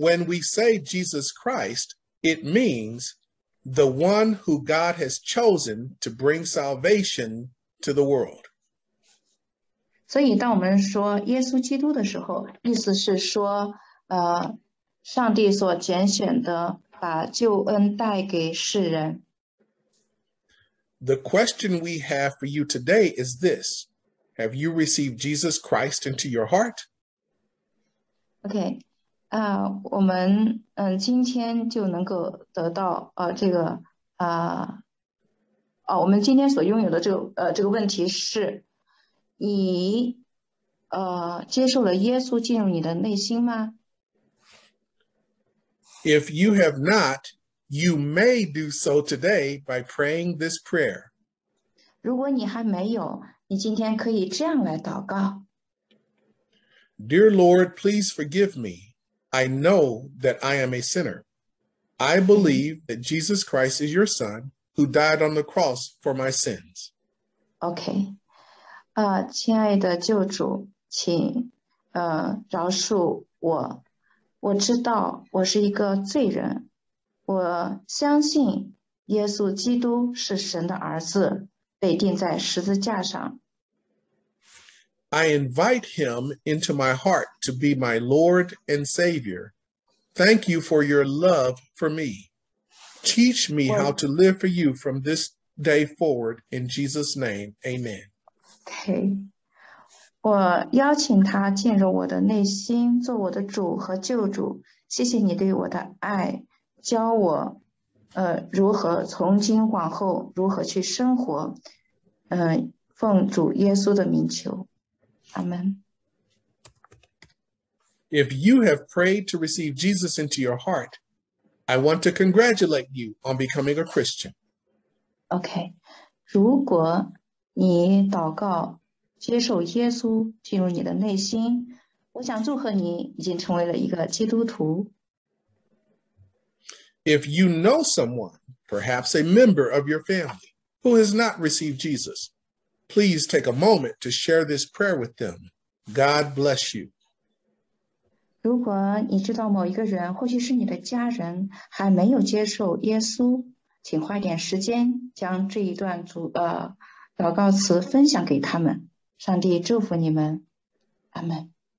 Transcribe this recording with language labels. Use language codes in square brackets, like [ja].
[en] When we say Jesus Christ, it means the one who God has chosen to bring salvation to the world. [zh] 所以当我们说耶稣基督的时候，意思是说上帝所拣选的，把救恩带给世人。 [en] The question we have for you today is this. Have you received Jesus Christ into your heart? [zh] Okay, 我们今天就能够得到这个我们今天所拥有的这个这个问题是你接受了耶稣进入你的内心吗？ [en] If you have not, you may do so today by praying this prayer. [zh] 如果你还没有，你今天可以这样来祷告。 [en] Dear Lord, please forgive me. I know that I am a sinner. I believe that Jesus Christ is your son who died on the cross for my sins. [zh] Okay. 亲爱的救主，请饶恕我。我知道我是一个罪人。我相信耶稣基督是神的儿子，被钉在十字架上。 [en] I invite him into my heart to be my Lord and Savior. Thank you for your love for me. Teach me how to live for you from this day forward. In Jesus' name, Amen. Okay. [zh] 我邀请他进入我的内心，做我的主和救主。谢谢你对我的爱，教我如何从今往后如何去生活。奉主耶稣的名求，阿门。 [en] If you have prayed to receive Jesus into your heart, I want to congratulate you on becoming a Christian. Okay. [zh] 如果你祷告接受耶稣进入你的内心，我想祝贺你已经成为了一个基督徒。 [en] If you know someone, perhaps a member of your family, who has not received Jesus, please take a moment to share this prayer with them. God bless you. [zh] 如果你知道某一个人，或许是你的家人，还没有接受耶稣，请花点时间将这一段祷告词分享给他们，上帝祝福你们，阿门。